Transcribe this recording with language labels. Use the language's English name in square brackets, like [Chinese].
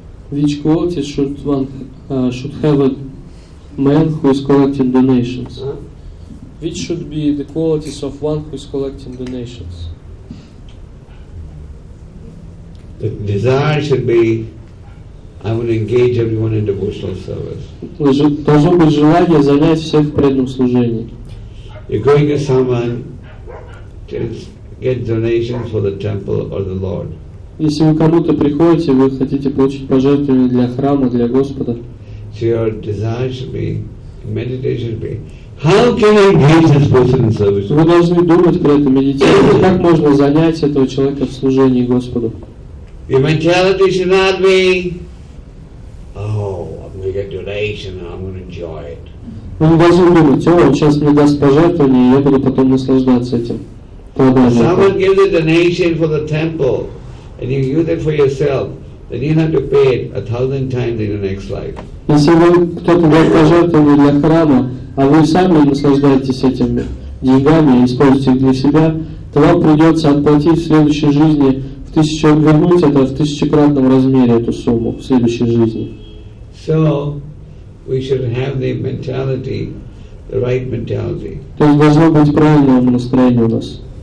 [English] Which quality should one should have a man who is collecting donations? Huh? Which should be the qualities of one who is collecting donations? The desire should be, I will engage everyone in devotional service. [Russian] Должно быть желание занять всех в преданном служении. [English] You're going to someone to get donations for the temple or the Lord. [Russian] Если вы кому-то приходите, вы хотите получить пожертвование для храма, для Господа. [English] So your desire should be, meditation should be, how can I engage this person in service? [Russian] Вы должны думать при этом медитировать, как можно занять этого человека в служении Господу. [English] Your mentality should not be, oh, I'm going to get donation and I'm going to enjoy it. [Russian] Вы должны думать, о, он сейчас мне даст пожертвование, и я буду потом наслаждаться этим. [English] Someone gives a donation for the temple. And you use it for yourself, then you have to pay it 1,000 times in the next life. [Russian] Если вы кто-то дает пожертвование для храма, а вы сами наслаждаетесь этими деньгами и используете их для себя, то вам придется отплатить в следующей жизни в 1000, вернуть это в 1000-кратном размере эту сумму в следующей жизни. [English] So we should have the mentality, the right mentality. [Russian] То есть должно быть правильное настроение у нас.